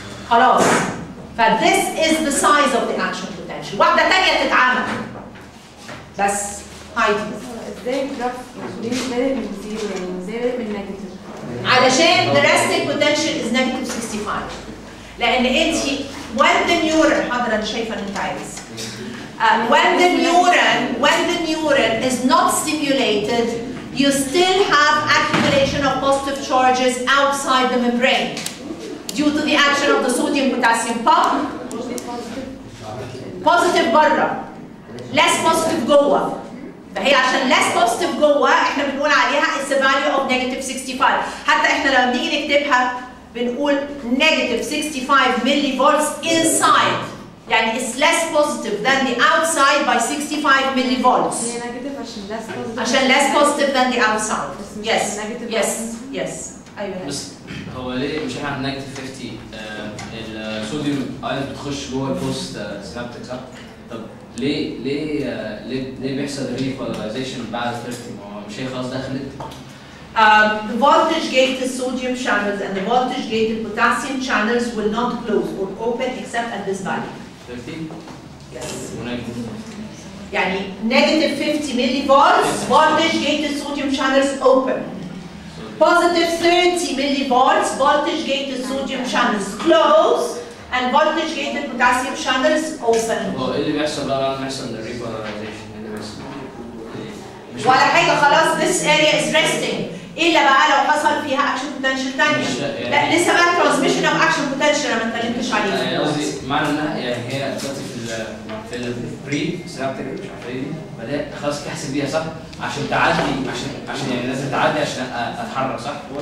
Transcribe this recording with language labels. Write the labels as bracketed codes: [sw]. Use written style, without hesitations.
[en] خلاص. ف this is the size of the action potential. [ar] واحدة تانية تتعمل. بس هايدي. [en] علشان the resting potential is negative 65. [ar] لأن أنت [en] when the neuron [ar] حضرتك شايفة أنت عايز. [en] When the neuron is not stimulated, you still have accumulation of positive charges outside the membrane due to the action of the sodium potassium pump. Positive برا. Less positive جوه. هي عشان less positive [ar] جوه احنا بنقول عليها [en] it's a value of negative 65. [ar] حتى احنا لما بنيجي نكتبها بنقول negative 65 millivolts inside. [en] يعني it's less positive than the outside by 65 millivolts. [ar] هي negative [en] عشان less positive than the outside. Yes. Yes. Yes. [ar] بس هو ليه مش احنا negative 50 الصوديوم ايون بتخش جوه البوست سينابتك صح؟ طب ليه بيحصل ريبولاريزيشن بعد 30 ما مش هي خلاص دخلت؟ [en] The voltage gated sodium channels and the voltage gated potassium channels will not close or open except at this value. 30؟ Yes. يعني negative 50 millivolts, voltage gated sodium channels open. Positive 30 millivolts, voltage gated sodium channels close. And voltage gated potassium channels open. [ar] Oh, اللي بيحصل بقى لما يحصل repolarization اللي بيحصل. ولا حاجة خلاص [en] this area is resting. [ar] إلا بقى لو حصل فيها action potential تانية. لا لسه بقى transmission of action potential ما اتكلمتش عليها. يعني قصدي معنى إنها يعني هي دلوقتي في ال pre synaptic مش عارف إيه بدأ خلاص تحسب بيها صح؟ عشان تعدي عشان يعني لازم تعدي عشان اتحرك صح؟